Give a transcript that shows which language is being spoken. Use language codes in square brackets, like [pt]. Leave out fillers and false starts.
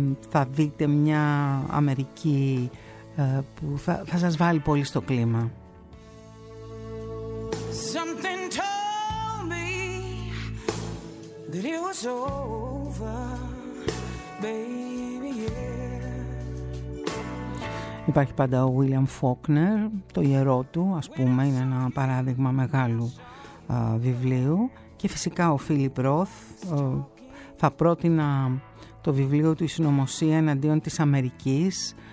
[el] Θα δείτε μια Αμερική που θα σας βάλει πολύ στο κλίμα. [en] Something told me that it was over, baby, yeah. [el] Υπάρχει πάντα ο William Faulkner, το ιερό του, ας πούμε, είναι ένα παράδειγμα μεγάλου βιβλίου. Και φυσικά ο Φίλιπ Ροθ, θα πρότεινα το βιβλίο του «Η συνωμοσία εναντίον της Αμερικής».